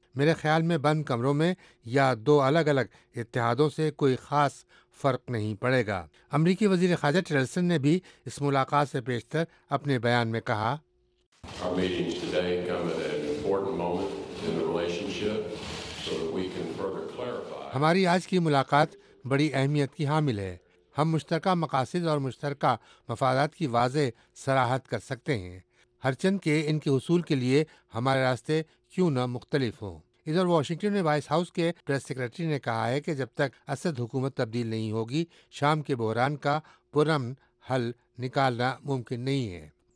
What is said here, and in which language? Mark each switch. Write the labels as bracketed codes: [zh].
[ur] میرے خیال میں بند کمروں میں یا دو الگ الگ اتحادوں سے کوئی خاص فرق نہیں پڑے گا. امریکی وزیر خارجہ ٹیلرسن نے بھی اس ملاقات سے پیشتر اپنے بیان میں کہا, [en] Our meetings today come at an important moment in the relationship so that we can further clarify. [ur] ہماری آج کی ملاقات بڑی اہمیت کی حامل ہے. ہم مشترکہ مقاصد اور مشترکہ مفادات کی واضح صراحت کر سکتے ہیں, ہرچند کہ ان کے حصول کے لیے ہمارے راستے کیوں نہ مختلف ہوں. ادھر واشنگٹن میں وائس ہاؤس کے پریس سیکرٹری نے کہا ہے کہ جب تک اسد حکومت تبدیل نہیں ہوگی شام کے بحران کا پرامن حل نکالنا ممکن نہیں ہے.